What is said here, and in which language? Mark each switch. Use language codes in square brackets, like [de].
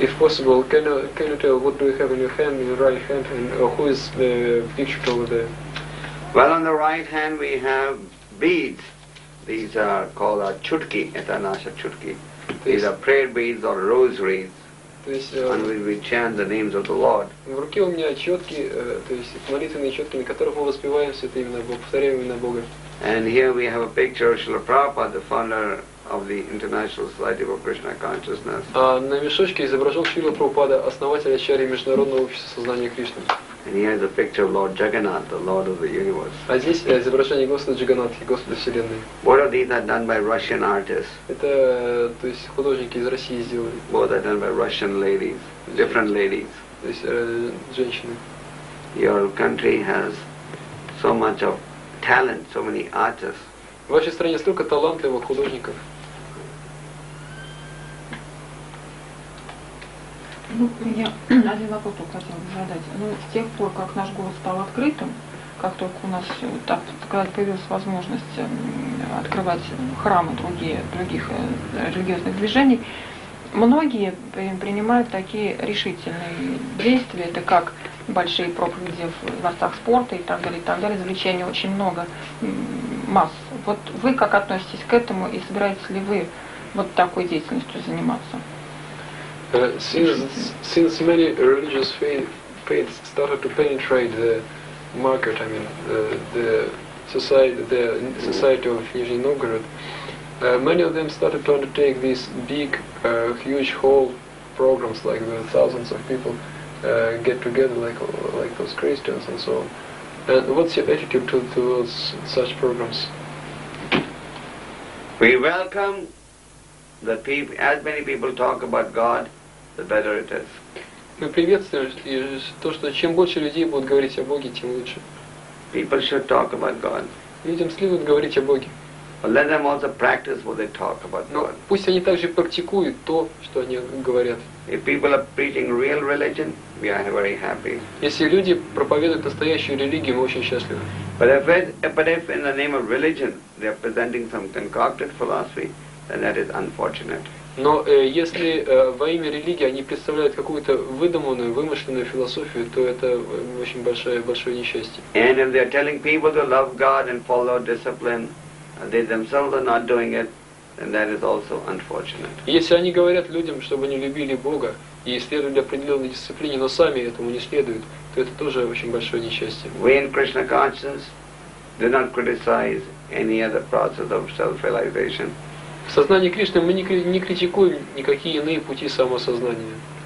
[en] If possible, can you tell what do you have in your hand, in your right hand, and who is the picture over there? Well, on the right hand we have beads. These are called a chutki, etanasha chutki. These are prayer beads or rosaries. And we chant the names of the Lord. [ru] В руке у меня четки, то есть молитвенные четки, на которых мы воспеваем святые имена Бога, повторяем имена Бога. [en] And here we have a picture of Srila Prabhupada, the founder of the International Society for Krishna Consciousness. [ru] А на мешочке изображен Шрила Прабхупада, основатель Ачарьи Международного общества сознания Кришны. [en] And here is a picture of Lord Jagannath, the Lord of the Universe. [ru] А здесь изображение Господа Джаганатхи, Господа Вселенной. [en] Both of these are done by Russian artists. [ru] Это, то есть, художники из России сделали. [en] Both are done by Russian ladies, different ladies. [ru] То есть, женщины. [en] Your country has so much of talent, so many artists. [ru] В вашей стране столько талантливых художников. Ну, я один вопрос только хотела бы задать. Ну, с тех пор, как наш город стал открытым, как только у нас, так сказать, появилась возможность открывать храмы других религиозных движений, многие принимают такие решительные действия, это как большие проповеди в дворцах спорта и так далее, развлечений очень много, масс. Вот вы как относитесь к этому и собираетесь ли вы вот такой деятельностью заниматься? [en] Since many religious faiths started to penetrate the market, I mean the society of Nizhny Novgorod, many of them started to undertake these big, huge hall programs, like where thousands of people get together, like those Christians and so on. And what's your attitude towards such programs? We welcome the people. As many people talk about God, the better it is. [ru] Мы приветствуем то, что чем больше людей будут говорить о Боге, тем лучше. [en] People should talk about God. [ru] Людям следует говорить о Боге. [en] But let them also practice what they talk about God. [ru] Но пусть они также практикуют то, что они говорят. [en] If people are preaching real religion, we are very happy. [ru] Если люди проповедуют настоящую религию, мы очень счастливы. [en] But if in the name of religion they are presenting some concocted philosophy, then that is unfortunate. [ru] Но если во имя религии они представляют какую-то выдуманную, вымышленную философию, то это очень большое несчастье. [en] And if they are telling people to love God and follow discipline, they themselves are not doing it, then that is also unfortunate. [ru] Если они говорят людям, чтобы они любили Бога и следовали определенной дисциплине, но сами этому не следуют, то это тоже очень большое несчастье. [en] We in Krishna consciousness do not criticize any other process of self-realization. [ru] В сознании Кришны мы не критикуем никакие иные пути самосознания.